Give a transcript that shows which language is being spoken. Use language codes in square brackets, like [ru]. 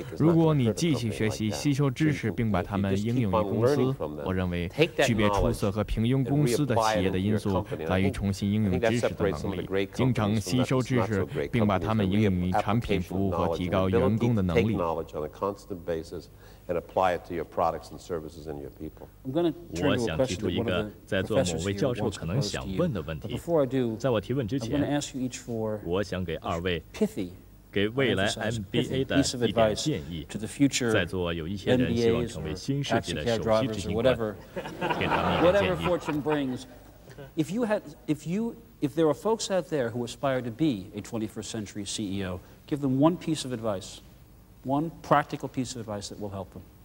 [zh] 如果你继续学习、吸收知识，并把它们应用于公司，我认为区别出色和平庸公司的企业的因素在于重新应用知识的能力，经常吸收知识，并把它们应用于产品、服务和提高员工的能力。 [en] And apply it to your products and services and your people. [zh] 我想提出一个在座某位教授可能想问的问题。在我提问之前，我想给二位给未来 MBA 的一点建议。在座有一些人希望成为新世纪的首席执行官，给他们一点建议。 [en] If there are folks out there who aspire to be a 21st century CEO, give them one piece of advice. One practical piece of advice that will help them.